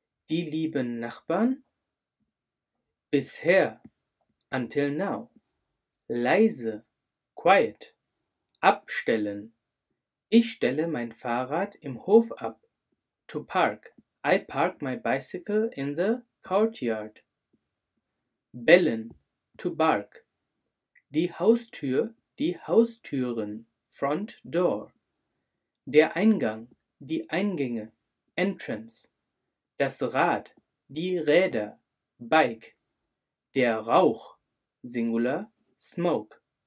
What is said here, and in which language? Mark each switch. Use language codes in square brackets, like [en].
[de] Die lieben Nachbarn? Bisher, [en] until now. [de] Leise, quiet. Abstellen. Ich stelle mein Fahrrad im Hof ab. [en] To park. I park my bicycle in the courtyard. Bellen, to bark. [de] Die Haustür, die Haustüren. [en] Front door. [de] Der Eingang, die Eingänge, entrance. Das Rad, die Räder, bike. Der Rauch, singular, smoke.